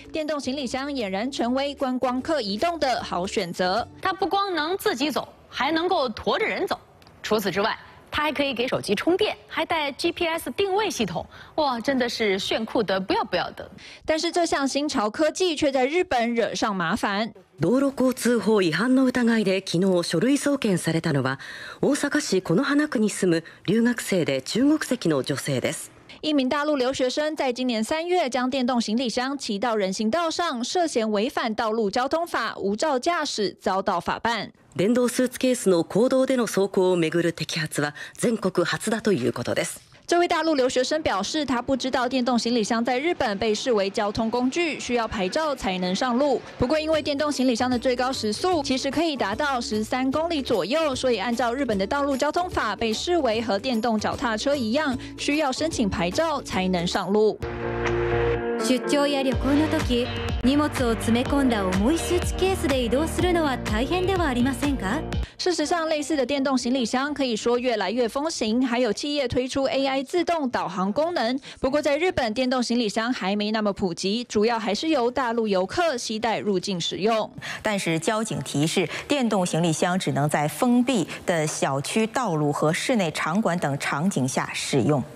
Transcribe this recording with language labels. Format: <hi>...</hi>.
<zh>电动行李箱俨然成为观光客移动的好选择。它不光能自己走，还能够驮着人走。除此之外，它还可以给手机充电，还带 GPS 定位系统。哇，真的是炫酷的不要不要的。但是这项新潮科技却在日本惹上麻烦。</zh> <ja>道路交通法違反の疑いで昨日書類送検されたのは、大阪市此花区に住む留学生で中国籍の女性です。</ja> <zh>一名大陆留学生在今年三月将电动行李箱骑到人行道上，涉嫌违反道路交通法、无照驾驶，遭到法办。</zh> <ja>電動スーツケースの公道での走行をめぐる摘発は全国初だということです。</ja> <zh>这位大陆留学生表示，他不知道电动行李箱在日本被视为交通工具，需要牌照才能上路。不过，因为电动行李箱的最高时速其实可以达到13公里左右，所以按照日本的道路交通法，被视为和电动脚踏车一样，需要申请牌照才能上路。</zh> <ja>出張や旅行の時、荷物を詰め込んだ重いスーツケースで移動するのは大変ではありませんか？</ja> <zh>事实上，类似的电动行李箱可以说越来越风行，还有企业推出 AI 自动导航功能。不过，在日本，电动行李箱还没那么普及，主要还是由大陆游客携带入境使用。但是，交警提示，电动行李箱只能在封闭的小区、道路和室内场馆等场景下使用。</zh>